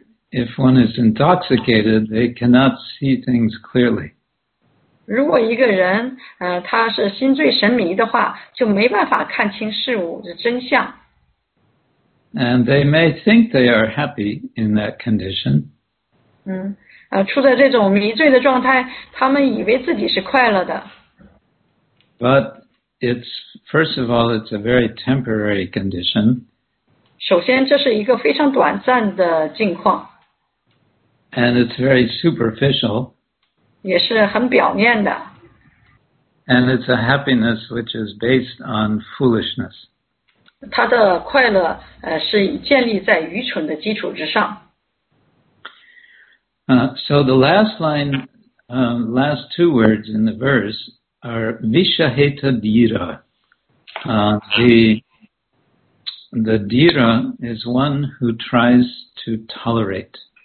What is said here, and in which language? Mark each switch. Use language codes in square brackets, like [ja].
[en] If one is intoxicated, they cannot see things clearly. [zh] 如果一个人他是心醉神迷的话，就没办法看清事物的真相。 [en] And they may think they are happy in that condition. [zh] 处在这种迷醉的状态，他们以为自己是快乐的。 [en] But it's, first of all, it's a very temporary condition. [zh] 首先这是一个非常短暂的境况。 [en] And it's very superficial. [zh] 也是很表面的。 [en] And it's a happiness which is based on foolishness. [zh] 他的快乐是建立在愚蠢的基础之上。 [en] So the last line, last two words in the verse are Vishaheta Dhira. The Dhira is one who tries to tolerate.